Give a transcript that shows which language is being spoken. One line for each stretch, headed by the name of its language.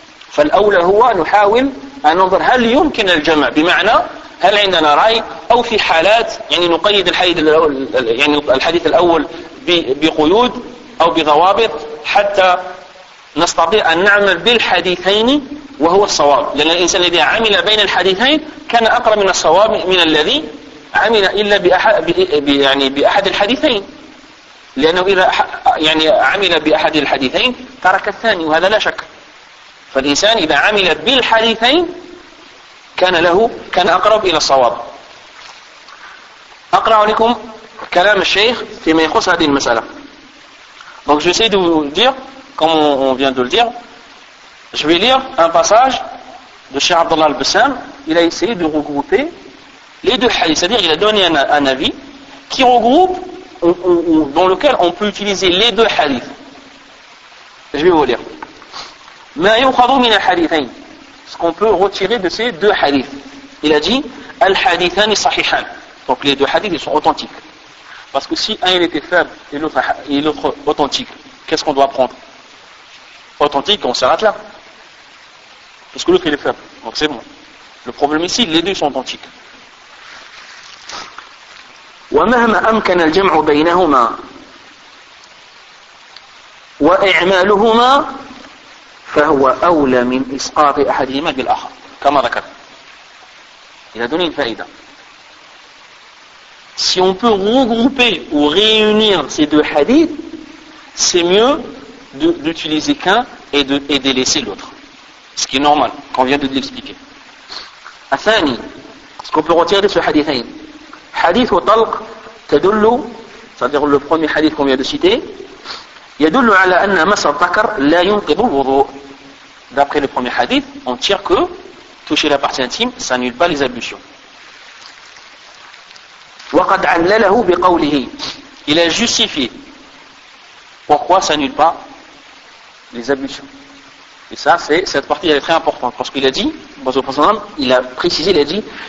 Arabic: فالأولى هو نحاول أن ننظر هل يمكن الجمع، بمعنى هل عندنا رأي، أو في حالات يعني نقيد الحديث الأول، يعني الحديث الأول بقيود أو بضوابط حتى نستطيع أن نعمل بالحديثين وهو الصواب، لأن الإنسان الذي عمل بين الحديثين كان أقرب من الصواب من الذي عمل إلا بأحد الحديثين، لأنه إذا يعني عمل بأحد الحديثين ترك الثاني، وهذا لا شك. فالإنسان إذا عمل بالحديثين كان أقرب إلى الصواب. أقرأ لكم كلام الشيخ فيما يخص هذه المسألة.
French: Donc j'essaie de vous dire, comme on vient de le dire, je vais lire un passage de Cheikh Abdallah Al-Bassam. Il a essayé de regrouper les deux hadiths, c'est-à-dire il a donné un avis qui regroupe, dans lequel on peut utiliser les deux hadiths. Je vais vous lire.
Arabic: Ma yukhadhu min al-hadithayn,
French: ce qu'on peut retirer de ces deux hadiths. Il a dit
Arabic: al-hadithan sahihan.
French: Donc les deux hadiths, ils sont authentiques. Parce que si un était faible et l'autre authentique, qu'est-ce qu'on doit prendre? Authentique, on s'arrête là. Parce que l'autre il est faible. Donc c'est bon. Le problème ici, les deux sont authentiques.
Arabic: ومهما أمكن الجمع بينهما وإعمالهما فهو أولى من إسقاط أحدهما بالآخر كما ذكر.
French: Il a donné une faïda. Si on peut regrouper ou réunir ces deux hadiths, c'est mieux d'utiliser qu'un et de laisser l'autre. Ce qui est normal, qu'on vient de l'expliquer.
Arabic: الثاني,
French: ce qu'on peut retirer de ce hadithain,
Arabic: حديث طلق تدل,
French: c'est-à-dire le premier hadith qu'on vient de citer,
Arabic: يدل على أن مس الذكر لا ينقض الوضوء.
French: D'après le premier hadith, on tire que toucher la partie intime, ça n'annule pas les ablutions.
Arabic: وقد علله بقوله.
French: Il a justifié pourquoi ça n'annule pas les ablutions. Et ça, c'est cette partie, elle est très importante. Parce qu'il a dit, il a précisé, il a dit,